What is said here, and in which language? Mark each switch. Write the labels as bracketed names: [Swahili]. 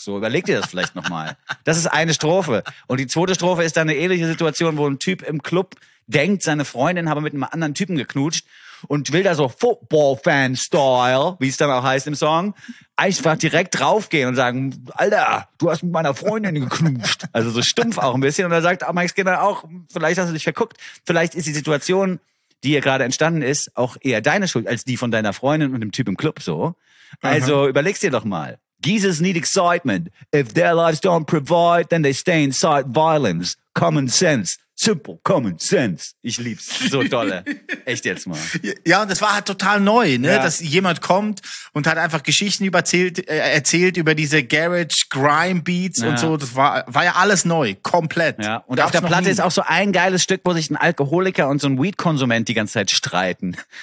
[German] So, überleg dir das vielleicht nochmal. Das ist eine Strophe. Und die zweite Strophe ist dann eine ähnliche Situation, wo ein Typ im Club denkt, seine Freundin habe mit einem anderen Typen geknutscht und will da so Football-Fan-Style, wie es dann auch heißt im Song, einfach direkt draufgehen und sagen, Alter, du hast mit meiner Freundin geknutscht. Also so stumpf auch ein bisschen. Und er sagt Max Skinner auch, vielleicht hast du dich verguckt. Vielleicht ist die Situation, die hier gerade entstanden ist, auch eher deine Schuld als die von deiner Freundin und dem Typ im Club so. Also überleg's dir doch mal. [English] Geezers need excitement. If their lives don't provide, then they stay inside violence. Common sense. Simple common sense. [German] Ich lieb's. So dolle. Echt jetzt mal. Ja, und das war halt total neu, ne? Ja. Dass jemand kommt und hat einfach Geschichten erzählt über diese Garage Grime Beats ja. Und so. Das war ja alles neu. Komplett. Ja. Und auf der Platte ist auch so ein geiles Stück, wo sich ein Alkoholiker und so ein Weed-Konsument die ganze Zeit streiten.